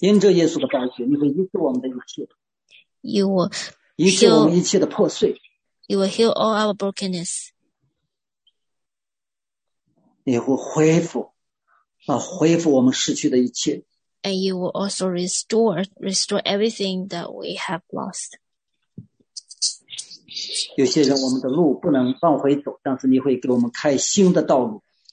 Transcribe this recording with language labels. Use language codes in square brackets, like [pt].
[zh] 因着耶稣的宝血，你会医治我们的一切。 [en] You will heal, [zh] 医治我们一切的破碎。 [en] You will heal all our brokenness. [zh] 你会恢复，恢复我们失去的一切。 [en] And you will also restore everything that we have lost. [zh] 有些人我们的路不能往回走，但是你会给我们开新的道路。